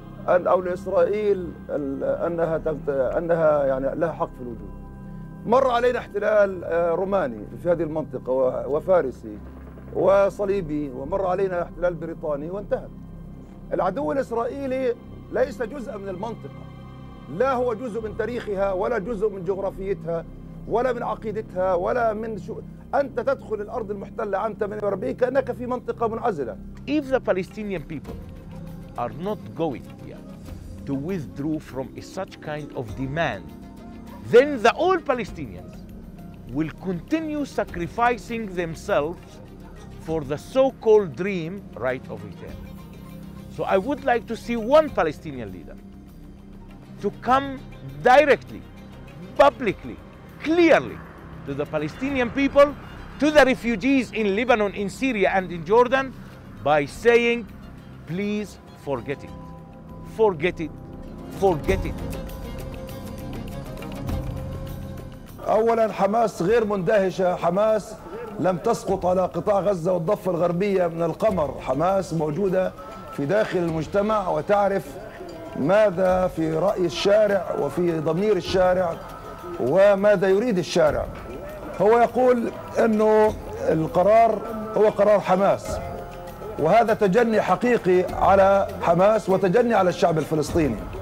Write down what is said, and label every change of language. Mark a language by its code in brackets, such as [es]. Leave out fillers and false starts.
[ar] أو لإسرائيل أنها يعني لها حق في الوجود مر علينا احتلال روماني في هذه المنطقة وفارسي وصليبي ومر علينا احتلال بريطاني وانتهى العدو الإسرائيلي ليس جزء من المنطقة لا هو جزء من تاريخها ولا جزء من جغرافيتها ولا من عقيدتها ولا من شو أنت تدخل الأرض المحتلة عام 48 كأنك في منطقة منعزلة [en] If the Palestinian people are not going here to withdraw from a such kind of demand then the old Palestinians will continue sacrificing themselves for the so-called dream right of return. So I would like to see one Palestinian leader to come directly, publicly, clearly to the Palestinian people, to the refugees in Lebanon, in Syria, and in Jordan by saying, please forget it, forget it, forget it. [ar] اولا حماس غير مندهشه حماس لم تسقط على قطاع غزه والضفه الغربيه من القمر حماس موجوده في داخل المجتمع وتعرف ماذا في راي الشارع وفي ضمير الشارع وماذا يريد الشارع هو يقول انه القرار هو قرار حماس وهذا تجني حقيقي على حماس وتجني على الشعب الفلسطيني